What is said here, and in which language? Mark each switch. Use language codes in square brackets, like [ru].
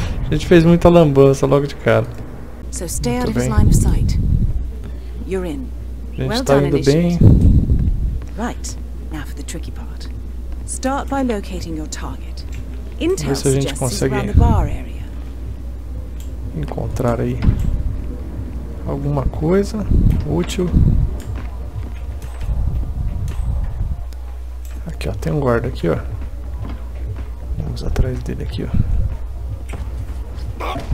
[pt] A gente fez muita lambança logo de cara. [en] So stay out of his line of sight. You're in. [pt] A gente tá indo bem. [en] Right. Now for the tricky part. Start by locating your target. Intel [pt] se a gente consegue [en] around the bar area. [pt] Encontrar aí alguma coisa útil. Aqui ó, tem um guarda aqui ó. Vamos atrás dele aqui ó.